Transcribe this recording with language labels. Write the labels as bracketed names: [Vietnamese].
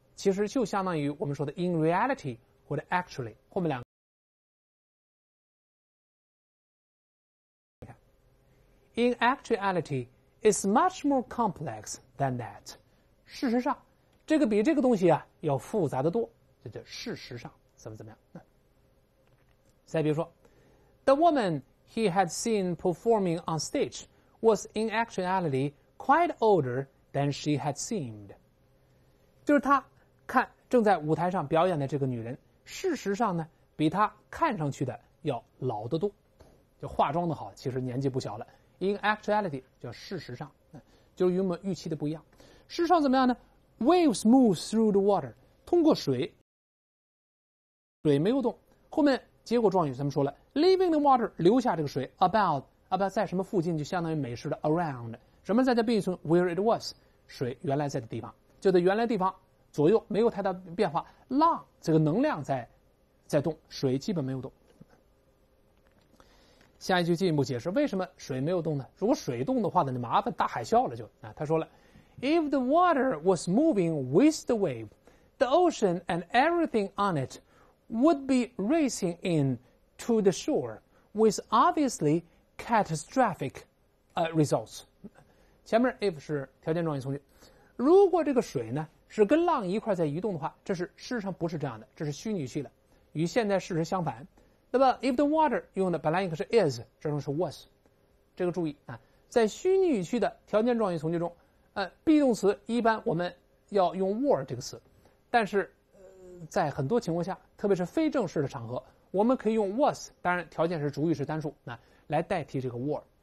[Chinese] 其实就相当于我们说的 [English] in reality [Chinese] 或者 actually， 后面两个 [English] in actuality is much more complex than that。 [Chinese] 事实上这个比这个东西啊要复杂的多，这叫事实上怎么怎么样。再比如说 [English] The woman he had seen performing on stage was in actuality quite older than she had seemed。 [Chinese] 就是他看正在舞台上表演的这个女人，事实上呢比她看上去的要老得多，就化妆的好其实年纪不小了。 [English] in actuality [Chinese] 叫事实上，就与我们预期的不一样。事实上怎么样呢？ [English] waves move through the water， [Chinese] 通过水没有动，后面结果状语咱们说了 [English] leaving the water [Chinese] 留下这个水 about 在什么附近，就相当于美式的 around， 什么在这并存 [English] where it was， [Chinese] 水原来在的地方，就在原来地方左右没有太大变化，浪这个能量在动，水基本没有动。下一句进一步解释为什么水没有动呢？如果水动的话呢，就麻烦大海啸了就。他说了 [English] ，If the water was moving with the wave, the ocean and everything on it would be racing in to the shore with obviously catastrophic results. [Chinese] 前面 if 是条件状语从句，如果这个水呢是跟浪一块在移动的话，这是事实上不是这样的，这是虚拟句的，与现在事实相反。那么 [English] if the water [Chinese] 用的本来应该是 is， 这种是 was。这个注意啊，在虚拟语句的条件状语从句中，be 动词一般我们要用 were 这个词，但是在很多情况下，特别是非正式的场合，我们可以用 was， 当然条件是主语是单数，那来代替这个 were。